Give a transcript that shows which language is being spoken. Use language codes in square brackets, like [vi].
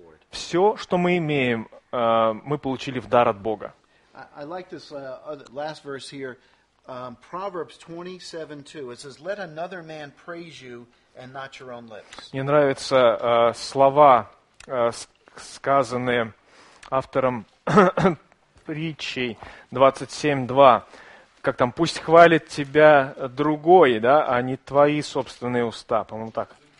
[ru] Все, что мы имеем, мы получили в дар от Бога. [en] I like this last verse here, Proverbs 27:2. It says, "Let another man praise you, and not your own lips." [ru] Мне нравятся слова, сказанные автором притчи 27:2. Как там? Пусть хвалит тебя другой, да, а не твои собственные уста. По-моему, так.